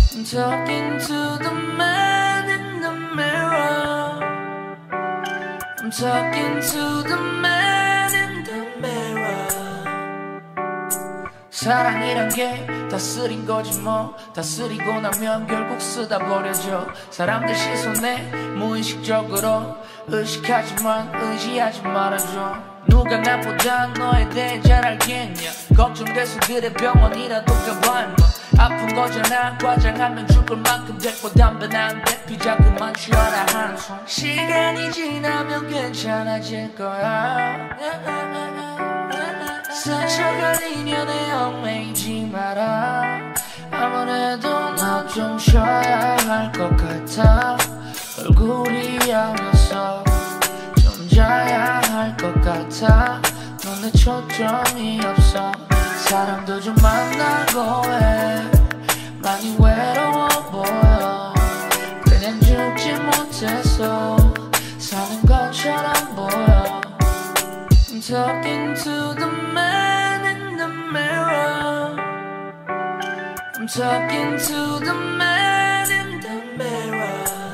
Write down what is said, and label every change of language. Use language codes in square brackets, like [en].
[en] talk into the man in the mirror. I'm talking to the man in the mirror. [ko] 사랑이란 게 다 쓰린 거지 뭐. 다 쓰리고 나면 결국 쓰다 버려져. 사람들 시선에 무의식적으로 의식하지만 의지하지 말아줘. 누가 나보다 너에 대해 잘 알겠냐. 걱정돼서 그래 병원이라도 가봐 임마. 아픈 거잖아 과장하면 죽을 만큼 됐고 담배는 안 돼 피자 그만 취하라 한 손. 시간이 지나면 괜찮아질 거야. 스쳐갈 인연에 얽매이지 마라. 아무래도 나 좀 쉬어야 할 것 같아. 얼굴이 아면서 좀 자야 할 것 같아. 넌 내 초점이 없어. 사람도 좀 만나고 해. 많이 외로워 보여. 그냥 죽지 못해서 사는 것처럼 보여. [en] I'm talking to the man in the mirror. I'm talking to the man in the mirror.